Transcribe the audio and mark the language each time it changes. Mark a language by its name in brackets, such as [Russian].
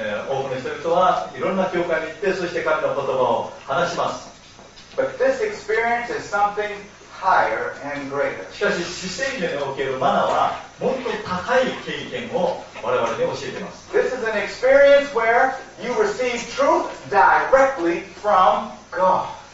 [Japanese] 多くの人々はいろんな教会に行って、そして神の言葉を話します。 [English] But this experience is something higher and greater. [Japanese] しかし、死生命におけるマナはもっと高い経験を我々に教えています。 [English] This is an experience where you receive truth directly from God.